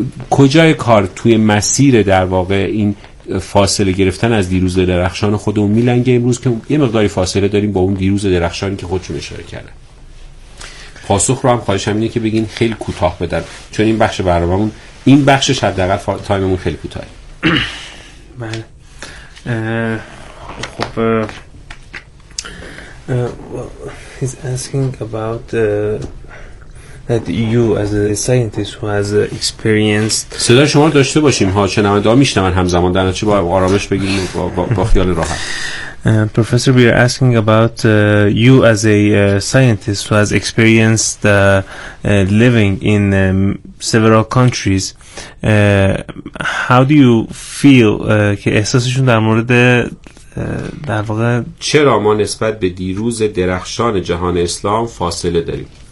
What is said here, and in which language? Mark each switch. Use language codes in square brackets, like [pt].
[fa] کجای کار توی مسیر در واقع این فاصله گرفتن از دیروز درخشان خودمون میلنگه امروز که یه مقداری فاصله داریم با اون دیروز درخشانی که خودشون اشاره کرده؟ پاسخ رو هم خواهشم اینه که بگین خیلی کوتاه بدن، چون این بخش برنامه‌مون این بخشش حداقل تایممون خیلی کوتاهه. بله خب [en] he's asking about that you as a scientist who has experienced. [fa] صدا شما رو داشته باشیم ها، شنونده ها میشنون همزمان، در نتیجه با آرامش بگیم با خیال راحت. [en] Professor, we are asking about you as a scientist who has experienced living in several countries. How do you feel [fa] که احساسشون در مورد در واقع چرا ما نسبت به دیروز درخشان جهان اسلام فاصله داریم؟